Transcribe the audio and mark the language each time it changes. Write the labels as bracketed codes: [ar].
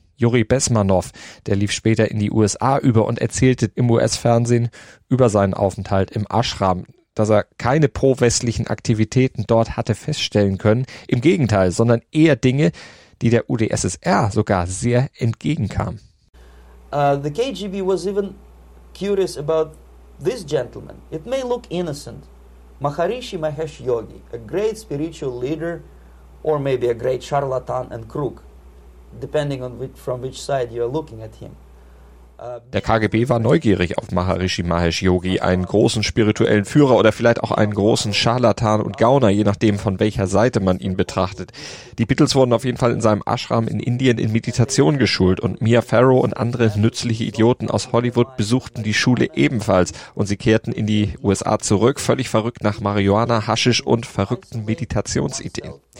[de] Juri Besmanow, der lief später in die USA über und erzählte im US-Fernsehen über seinen Aufenthalt im Ashram, dass er keine pro-westlichen Aktivitäten dort hatte feststellen können. Im Gegenteil, sondern eher Dinge, die der UdSSR sogar sehr entgegenkam. [en] The KGB was even curious about this gentleman. It may look innocent. Maharishi Mahesh Yogi, a great spiritual leader or maybe a great charlatan and crook, depending on which, from which side you are looking at him. [de] Der KGB war neugierig auf Maharishi Mahesh Yogi, einen großen spirituellen Führer oder vielleicht auch einen großen Scharlatan und Gauner, je nachdem von welcher Seite man ihn betrachtet. Die Beatles wurden auf jeden Fall in seinem Ashram in Indien in Meditation geschult und Mia Farrow und andere nützliche Idioten aus Hollywood besuchten die Schule ebenfalls und sie kehrten in die USA zurück, völlig verrückt nach Marihuana, Haschisch und verrückten Meditationsideen.